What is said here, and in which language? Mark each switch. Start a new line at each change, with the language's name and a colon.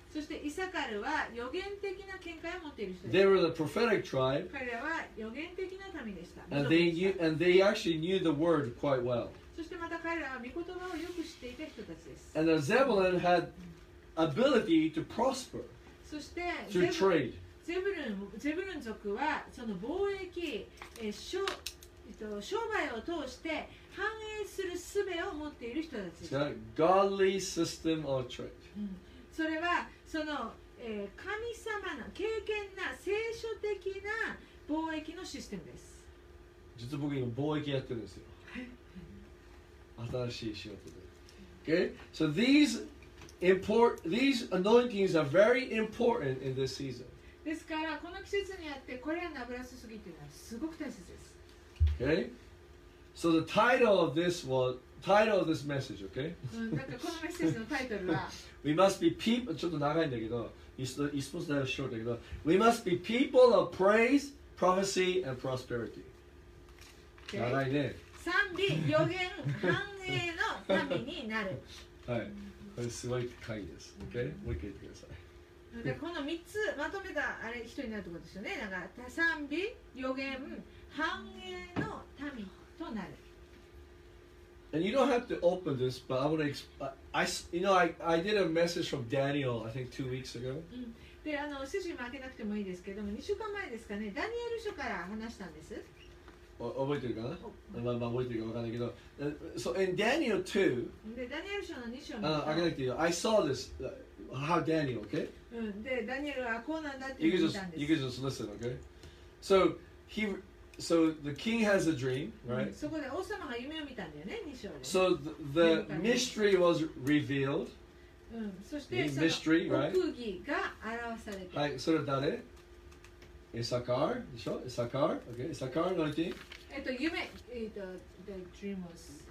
Japanese: そしてイサカルは予言的な見解を持っている人です。
English: They were the prophetic tribe.
Japanese: 彼らは予言的な民でした。
English: And they actually knew the word quite well.
Japanese: そしてまた彼らは御言葉をよく知っていた人たちです。
English: And the Zebulun had ability to prosper through trade.
Japanese: ゼブルン族はその貿易、商売を通して繁栄する術を持っている人たちです。
English: It's a godly system of trade.
Japanese: それはその、神様の敬虔な聖書的な貿易のシステムです。実は僕今貿易やってるんですよ。新しい仕事で。Okay?
English: So theseThese anointings are very important in this season.
Japanese: ですからこの季節にあってこれらの油注ぎというのはすごく大切です。
English: Okay. So the title of this was title of this message. Okay.
Japanese: このメッセージのタイトルは。
English: We must be people.
Japanese: ちょっと長いんだけど、
English: you're supposed to have short
Japanese: だけど、
English: We must be people of praise, prophecy, and prosperity.
Japanese: 長いね。賛美、予言、繁栄の民になる。はい。これすごい会議です。OK? もう一回言ってください。でこの3つまとめたあれ人になるってことですよね。なんか賛美、予言、繁栄の民となる。
English: And you don't have to open this, but I want to explain. You know, I did a message from Daniel, I think, 2 weeks ago.
Japanese: で、あの、聖書にも開けなくてもいいですけども、2週間前ですかね、ダニエル書から話したんです。覚えてるかな、まあまあ覚えてるかわかんないけど、
English: so in Daniel 2,
Japanese: でダニエル書の2章見た、あげなくていいよ、
English: I saw this, how Daniel, okay?
Japanese: うん、で、ダニエルはこうなんだって見たんです。
English: you can just listen, okay? So, he, so the king has a dream, right?
Japanese: そこで王様が夢を見たんだよね、2章で。
English: So the mystery was revealed.
Japanese: うん、そしてその mystery, right? 奥義が表されて、はい、それは誰？イサカールでしょ、イサカール、okay. イサカールの
English: 夢、the dream was